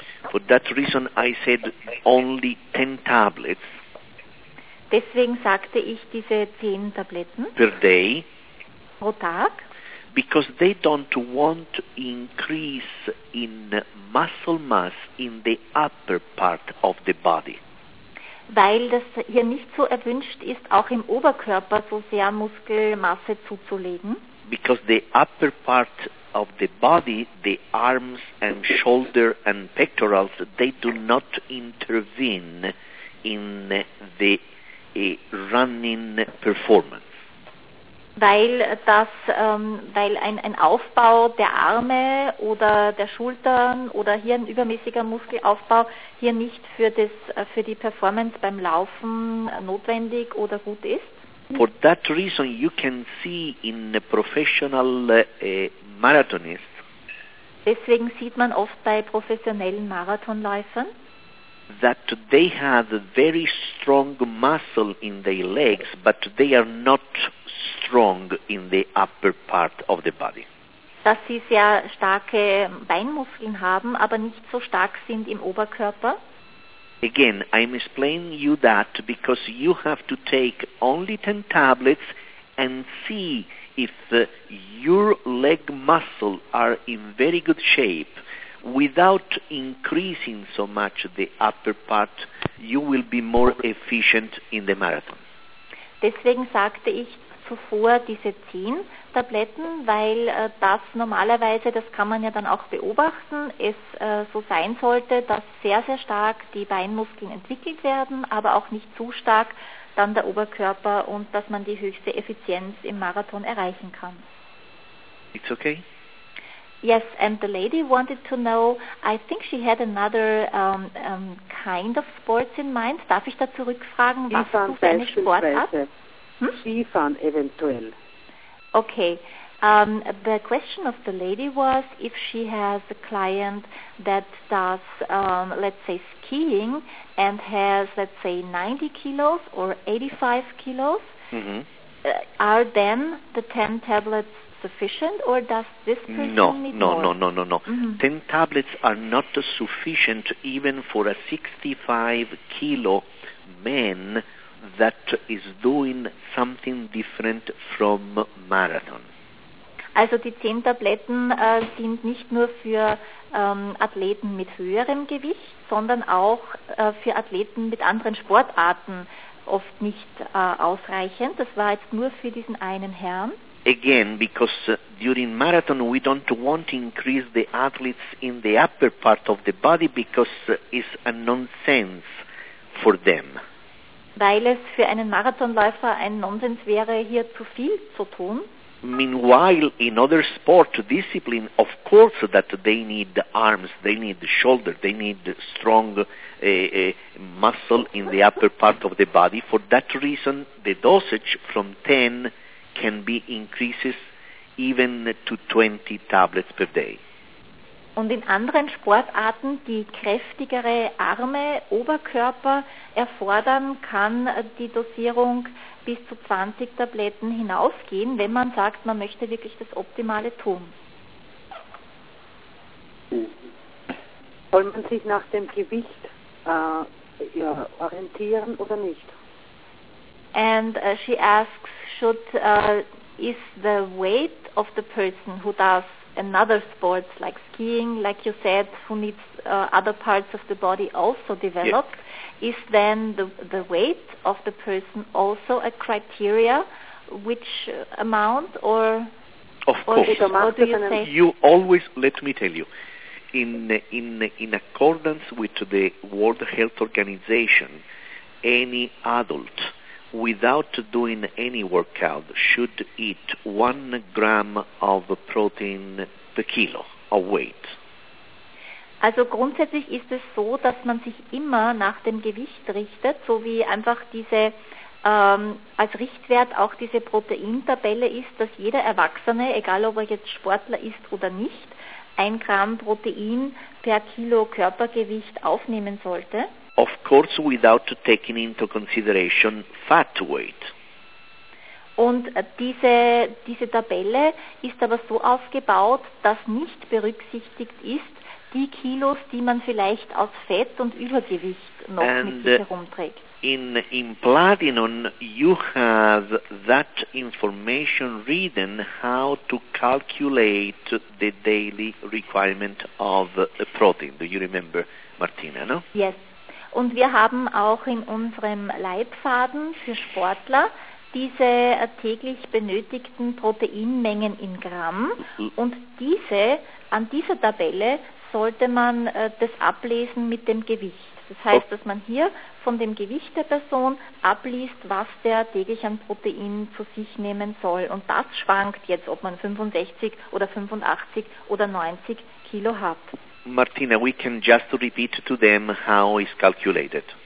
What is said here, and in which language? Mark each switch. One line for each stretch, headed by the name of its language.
English: For that reason I said only 10 tablets.
German: Deswegen sagte ich diese 10 Tabletten.
English: Per day.
German: Pro Tag.
English: Because they don't want to increase in muscle mass in the upper part of the body.
German: Weil das hier nicht so erwünscht ist, auch im Oberkörper so sehr Muskelmasse zuzulegen.
English: Because the upper part of the body, the arms and shoulder and pectorals, they do not intervene in the running performance.
German: Weil ein Aufbau der Arme oder der Schultern oder hier ein übermäßiger Muskelaufbau hier nicht für die Performance beim Laufen notwendig oder gut ist.
English: For that reason you can see in professional marathonists.
German: Deswegen sieht man oft bei professionellen Marathonläufern,
English: that they have very strong muscle in their legs, but they are not strong in the upper part of the body.
German: Dass sie sehr starke Beinmuskeln haben, aber nicht so stark sind im Oberkörper.
English: Again, I'm explaining you that because you have to take only 10 tablets and see if your leg muscle are in very good shape without increasing so much the upper part, you will be more efficient in the marathon.
German: Deswegen sagte ich zuvor diese 10 Tabletten, weil das normalerweise, das kann man ja dann auch beobachten, es so sein sollte, dass sehr, sehr stark die Beinmuskeln entwickelt werden, aber auch nicht zu stark dann der Oberkörper und dass man die höchste Effizienz im Marathon erreichen kann.
English: It's okay? Yes, and the lady wanted to know, I think she had another kind of sports in mind.
German: Darf ich da zurückfragen, was du für eine Sportart? Skifahren eventuell.
English: Okay. The question of the lady was if she has a client that does, let's say, skiing and has, let's say, 90 kilos or 85 kilos, are then the 10 tablets sufficient or does this person need more? No. Mm-hmm. 10 tablets are not sufficient even for a 65 kilo man that is doing something different from marathon.
German: Also die 10 Tabletten sind nicht nur für Athleten mit höherem Gewicht, sondern auch für Athleten mit anderen Sportarten oft nicht ausreichend. Das war jetzt nur für diesen einen Herrn.
English: Again, because during marathon we don't want to increase the athletes in the upper part of the body because it's a nonsense for them.
German: Weil es für einen Marathonläufer ein Nonsens wäre, hier zu viel zu tun.
English: Meanwhile, in other sport discipline, of course that they need arms, they need shoulder, they need strong muscle in the upper part of the body. For that reason, the dosage from 10 can be increases even to 20 tablets per day.
German: Und in anderen Sportarten, die kräftigere Arme, Oberkörper erfordern, kann die Dosierung bis zu 20 Tabletten hinausgehen, wenn man sagt, man möchte wirklich das Optimale tun. Soll man sich nach dem Gewicht orientieren oder nicht?
English: And she asks, is the weight of the person who does another sport like skiing, like you said, who needs other parts of the body also developed, yes. Is then the weight of the person also a criteria, which amount or... Of course. You always, let me tell you, in accordance with the World Health Organization, any adult without doing any workout should eat 1 gram of protein per kilo of weight.
German: Also grundsätzlich ist es so, dass man sich immer nach dem Gewicht richtet, so wie einfach diese als Richtwert auch diese Proteintabelle ist, dass jeder Erwachsene, egal ob er jetzt Sportler ist oder nicht, 1 Gramm Protein per Kilo Körpergewicht aufnehmen sollte.
English: Of course, without taking into consideration fat weight.
German: Und diese Tabelle ist aber so aufgebaut, dass nicht berücksichtigt ist, die Kilos, die man vielleicht aus Fett und Übergewicht noch
English: and
German: mit sich herumträgt.
English: In Platinum, you have that information written how to calculate the daily requirement of a protein. Do you remember, Martina, no? Yes.
German: Und wir haben auch in unserem Leitfaden für Sportler diese täglich benötigten Proteinmengen in Gramm. Und diese, an dieser Tabelle sollte man das ablesen mit dem Gewicht. Das heißt, dass man hier von dem Gewicht der Person abliest, was der täglich an Protein zu sich nehmen soll. Und das schwankt jetzt, ob man 65 oder 85 oder 90 Kilo hat.
English: Martina, we can just repeat to them how it's calculated.